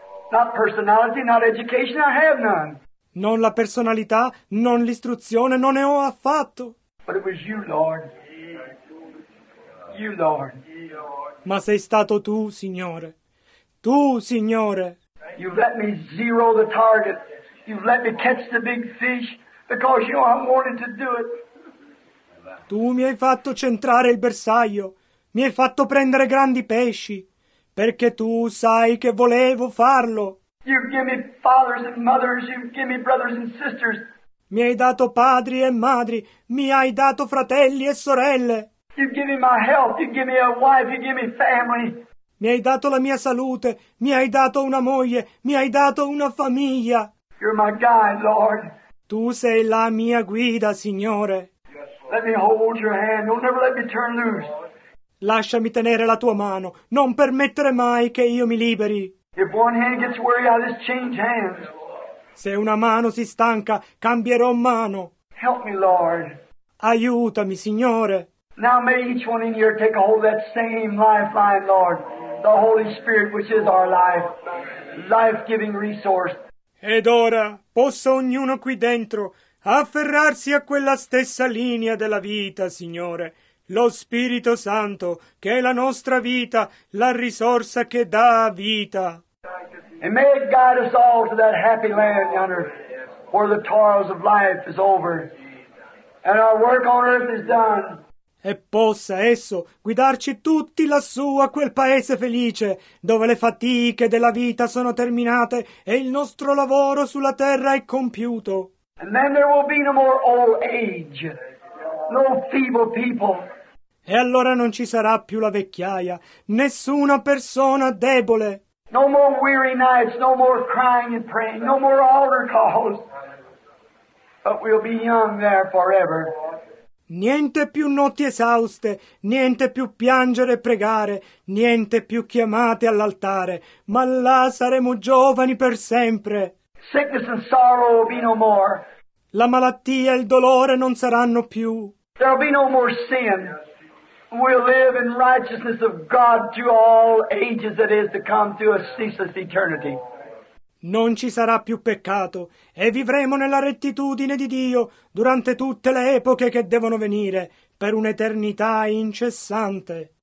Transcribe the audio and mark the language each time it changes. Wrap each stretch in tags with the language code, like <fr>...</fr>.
<en>Not personality, not education, I have none.</en> <it>Non la personalità, non l'istruzione, non ne ho affatto.</it> <en>But it was you, Lord. You, Lord.</en> <it>Ma sei stato tu, Signore. Tu, Signore.</it> <en>You let me zero the target. You let me catch the big fish because you know I wanted to do it.</en> <it>Tu mi hai fatto centrare il bersaglio. Mi hai fatto prendere grandi pesci perché tu sai che volevo farlo.</it> <en>You give me fathers and mothers. You give me brothers and sisters.</en> <it>Mi hai dato padri e madri. Mi hai dato fratelli e sorelle.</it> <en>You give me my health, you give me a wife, you give me family.</en> <it>Mi hai dato la mia salute, mi hai dato una moglie, mi hai dato una famiglia.</it> <en>You're my guide, Lord.</en> <it>Tu sei la mia guida, Signore.</it> <en>Let me hold your hand, you'll never let me turn loose.</en> <it>Lasciami tenere la tua mano, non permettere mai che io mi liberi.</it> <en>If one hand gets weary, I'll just change hands.</en> <it>Se una mano si stanca, cambierò mano.</it> <en>Help me, Lord.</en> <it>Aiutami, Signore.</it> <en>Now may each one in here take a hold of that same lifeline, Lord, the Holy Spirit, which is our life, life-giving resource.</en> <it>Ed ora possa ognuno qui dentro afferrarsi a quella stessa linea della vita, Signore, lo Spirito Santo, che è la nostra vita, la risorsa che dà vita.</it> <en>And may it guide us all to that happy land yonder, where the toils of life is over, and our work on earth is done.</en> <it>e possa esso guidarci tutti lassù a quel paese felice, dove le fatiche della vita sono terminate e il nostro lavoro sulla terra è compiuto.</it> <en>And then there will be no more old age, no feeble people.</en> <it>E allora non ci sarà più la vecchiaia, nessuna persona debole.</it> <en>No more weary nights, no more crying and praying, no more altar calls. But we'll be young there forever.</en> <it>Niente più notti esauste, niente più piangere e pregare, niente più chiamate all'altare, ma là saremo giovani per sempre.</it> <en>Sickness and sorrow will be no more.</en> <it>La malattia e il dolore non saranno più.</it> <en>There'll be no more sin. We'll live in righteousness of God through all ages that is to come through a ceaseless eternity.</en> <it>Non ci sarà più peccato e vivremo nella rettitudine di Dio durante tutte le epoche che devono venire per un'eternità incessante.</it>